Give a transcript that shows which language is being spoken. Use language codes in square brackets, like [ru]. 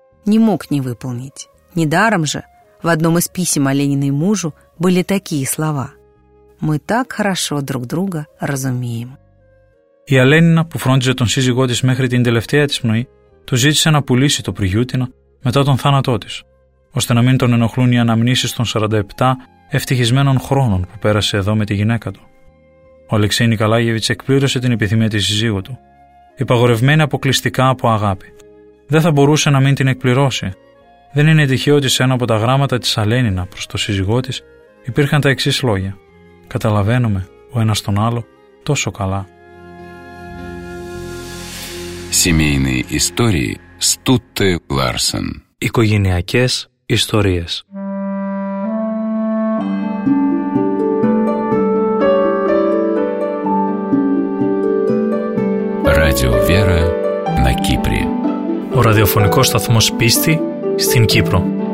[ru] Не мог не выполнить. Недаром же в одном из писем Олениной мужу были такие слова: «Мы так хорошо друг друга разумеем». [el] Η Αλένινα, που φρόντιζε τον σύζυγό της μέχρι την τελευταία της πνοή, του ζήτησε να πουλήσει το Πριγιούτινο μετά τον θάνατό της, ώστε να μην τον ενοχλούν οι αναμνήσεις των 47 ευτυχισμένων χρόνων που πέρασε εδώ με τη γυναίκα του. Ο Αλεξέη Νικολάγεβιτς εκπλήρωσε την επιθυμία της σύζυγου του, υπαγορευμένη αποκλειστικά από αγάπη. Δεν θα μπορούσε να μην την εκπληρώσει. Δεν είναι τυχαίο ότι σε ένα από τα γράμματα της Αλένινα προς τον σύζυγό της υπήρχαν τα εξής λόγια: «Καταλαβαίνουμε ο ένας τον άλλο τόσο καλά». [ru] Семейные истории Стутте Ларсен. [el] Οικογενειακές ιστορίες. [ru] Радио Вера на Кипре. [el] Ο ραδιοφωνικός σταθμός πίστη στην Κύπρο.